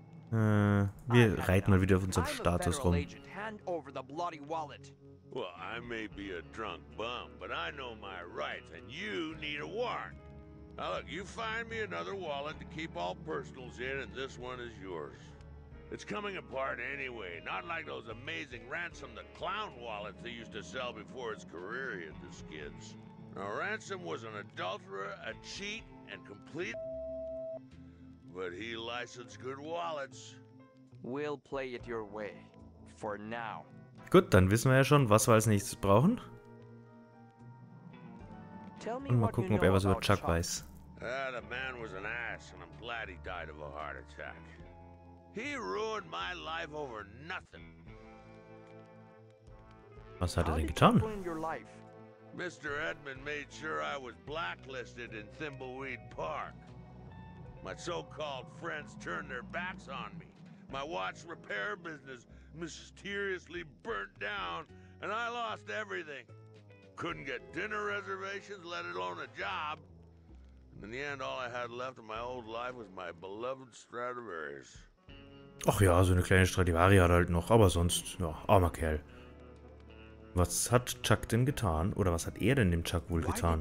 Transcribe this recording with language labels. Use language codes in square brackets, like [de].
[de] wir reiten mal wieder auf unserem Status rum. [en] Hand over the bloody wallet. Well, I may be a drunk bum, but I know my rights, and you need a warrant. Now look, you find me another wallet to keep all personals in, and this one is yours. It's coming apart anyway, not like those amazing Ransom the Clown wallets they used to sell before his career hit the skids. Now Ransom was an adulterer, a cheat, and complete... But he licensed good wallets. We'll play it your way, for now. [de] Gut, dann wissen wir ja schon, was wir als nächstes brauchen. Und mal gucken, ob er was über Chuck weiß. [en] The man was an ass, and I'm glad he died of a heart attack. He ruined my life over nothing. [de] Was hat er denn getan? [en] Mr. Edmund made sure I was blacklisted in Thimbleweed Park. My so-called friends turned their backs on me. My watch repair business mysteriously burnt down, and I lost everything. Couldn't get dinner reservations, let alone a job. And in the end, all I had left of my old life was my beloved Stradivarius. [de] Ach ja, so eine kleine Stradivari hat halt noch, aber sonst, ja, armer Kerl. Was hat Chuck denn getan? Oder was hat denn dem Chuck wohl getan?